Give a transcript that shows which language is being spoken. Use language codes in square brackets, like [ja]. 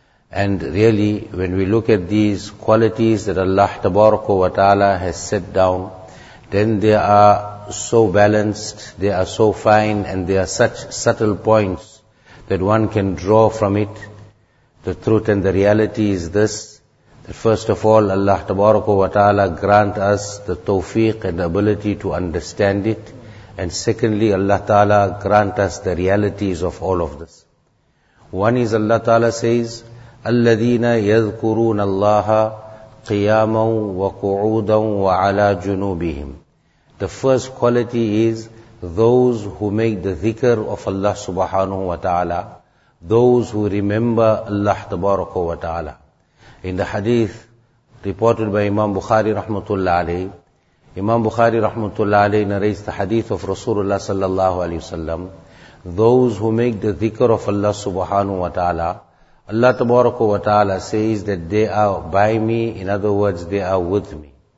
[en] And really, when we look at these qualities that Allah Tabaraka wa Ta'ala has set down, then there are so balanced, they are so fine, and they are such subtle points that one can draw from it. The truth and the reality is this, that first of all, Allah Tabaraka wa Ta'ala grant us the tawfiq and the ability to understand it. And secondly, Allah Ta'ala grant us the realities of all of this. [ar] One is Allah Ta'ala says, الَّذِينَ يَذْكُرُونَ اللَّهَ قِيَامًا وَقُعُودًا وَعَلَى جُنُوبِهِمْ. [en] The first quality is those who make the dhikr of Allah subhanahu wa ta'ala, those who remember Allah tabaraka wa ta'ala. In the hadith reported by Imam Bukhari rahmatullah alayhi, Imam Bukhari rahmatullah alayhi narrates the hadith of Rasulullah sallallahu alayhi wa sallam, those who make the dhikr of Allah subhanahu wa ta'ala, Allah tabaraka wa ta'ala says that they are by me, in other words, they are with me.